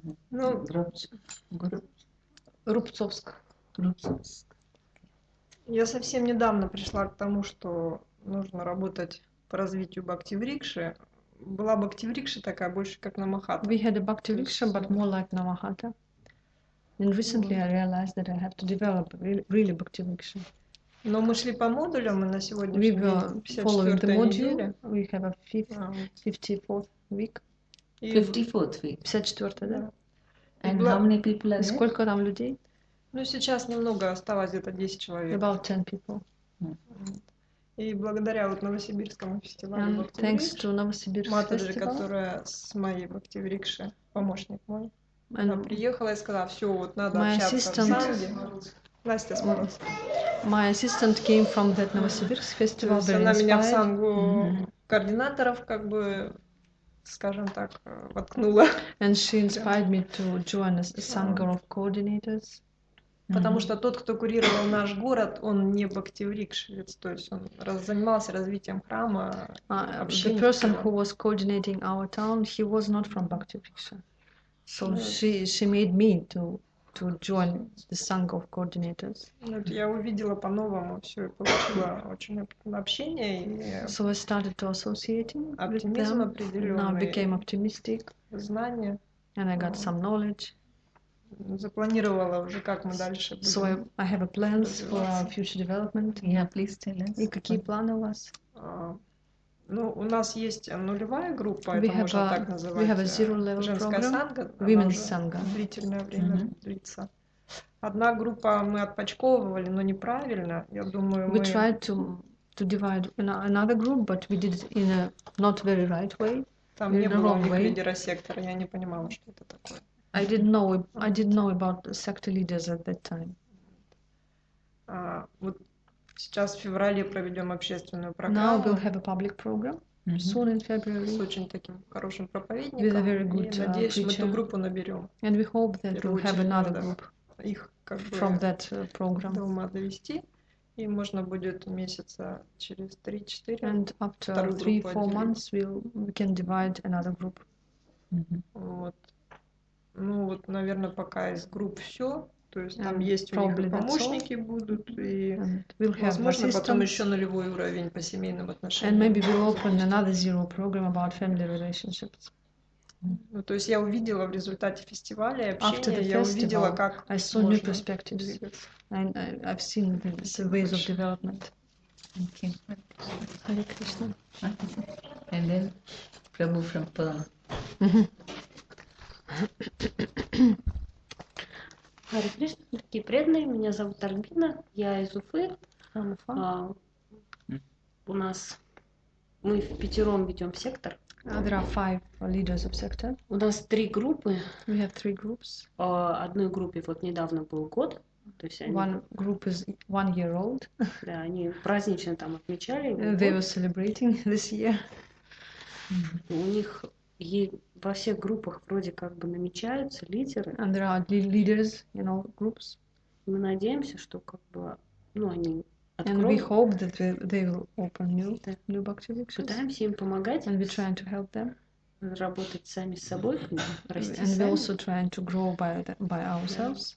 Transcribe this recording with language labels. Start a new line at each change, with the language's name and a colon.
Russian: Ну, Рубцовск. Рубцовск. Я совсем недавно пришла к тому, что нужно работать по развитию бхакти-врикши. Была бхакти-врикша такая, больше как намахата.
English: We had a бхакти-врикша, but more like намахата. And recently I realized that I have to develop really bhakti-vriksha.
Russian: Но мы шли по модулям, и на сегодня
English: we were following the module. We have a 54th week. 54th week. 54th, да. And how many people are there?
Russian: Сколько там людей? Ну, сейчас немного осталось, где-то 10 человек.
English: About 10 people.
Russian: И благодаря вот Новосибирскому фестивалю.
English: And thanks to Novosibirsk festival.
Russian: Матаджи, которая с моей бхакти-вриксши, помощник мой. Она приехала и сказала, все, вот надо
English: my
Russian: общаться в Сангу.
English: My assistant came from that Novosibirsk festival.
Russian: Она
English: inspired.
Russian: Меня в Сангу координаторов, как бы, скажем так, воткнула.
English: And she inspired me to join a Sangha of coordinators.
Russian: Потому что тот, кто курировал наш город, он не бхакти-врикшевец, то есть он занимался развитием храма.
English: The person who was coordinating our town, he was not from Bhakti-vriksha. So she made me to join the Sangha of coordinators.
Russian: Я увидела по-новому все и получила очень общение и.
English: So I started to associating.
Russian: Оптимизм определенный.
English: Now became optimistic.
Russian: Знания.
English: And I got some knowledge.
Russian: Запланировала уже как мы дальше.
English: So I have a plans for our future development. Yeah, please tell us.
Russian: И какие планы у вас? Ну, у нас есть нулевая группа, это можно так называть.
English: We have a zero level
Russian: женская санга,
English: women's sangha.
Russian: Длительное время длится. Одна группа мы отпочковывали, но неправильно. Я думаю,
English: we tried to divide another group, but we did it in a not very right way.
Russian: Там не было у них лидера сектора, я не понимала, что это такое.
English: I didn't know about sector leaders at that time.
Russian: Вот сейчас в феврале проведем общественную программу.
English: Now we'll have a public program soon in February.
Russian: С очень таким хорошим проповедником.
English: Very good,
Russian: и надеюсь,
English: teacher.
Russian: Мы эту группу наберем.
English: And we hope that we'll have another group
Russian: их, как бы,
English: from that program.
Russian: Дома довести. И можно будет месяца через 3-4.
English: And after 3-4 months we can divide another group.
Russian: Вот. Ну вот, наверное, пока из групп все. То есть там есть у них помощники будут, и возможно потом еще нулевой уровень по семейным отношениям.
English: And maybe we'll open another zero program about family relationships.
Russian: Ну, то есть я увидела в результате фестиваля общения,
English: festival,
Russian: я увидела, как
English: I saw new perspectives. And I've seen the ways of development. Thank you. Hare Krishna. And then Prabhu from Perm.
Russian: Харе Кришна, такие преданные. Меня зовут Альбина, я из Уфы. У нас мы в пятером ведем сектор.
English: There are five leaders of sector.
Russian: У нас три группы.
English: We have three groups.
Russian: Одной группе вот недавно был год. То есть они.
English: One group is 1 year old.
Russian: Да, они празднично там отмечали.
English: They were celebrating this year.
Russian: У них и во всех группах вроде как бы намечаются лидеры.
English: And there are leaders in all groups.
Russian: Мы надеемся, что как бы, ну, они откроют.
English: And we hope that they will open new bhakti-vrikshas.
Russian: Пытаемся им помогать.
English: And we're trying to help them.
Russian: Работать сами с собой, расти сами.
English: And we're also trying to grow by ourselves.